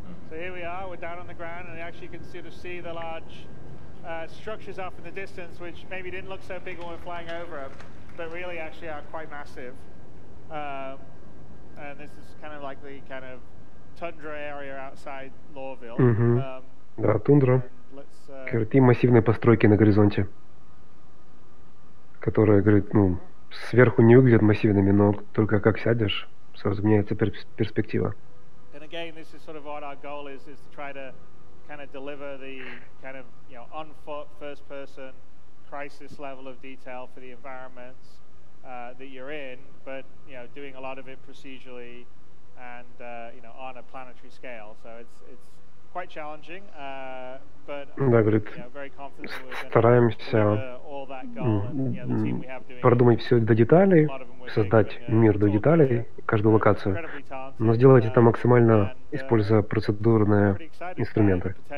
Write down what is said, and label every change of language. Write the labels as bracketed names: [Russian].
[English] So here we are, we're down on the ground, and actually you can sort of see the large structures off in the distance, which maybe didn't look so big when we're flying over them. But really, actually, are quite massive, and this is kind of like the kind of tundra area outside Lawville. [Russian] Да, тундра. Крутые массивные постройки на горизонте, которые, говорит, ну, сверху не выглядят массивными, но только как сядешь, сразу меняется перспектива. [English] And again, this is sort of what our goal is to try to kind of deliver the kind of, you know, on foot, first person. Crisis level of detail for the environments that you're in, but you know, doing a lot of it procedurally and you know, on a planetary scale. So it's quite challenging, but [Russian] да, говорит, [English] you know, very confident [Russian] стараемся продумать все до деталей, создать мир до деталей, каждую локацию, но сделать это максимально, используя процедурные инструменты.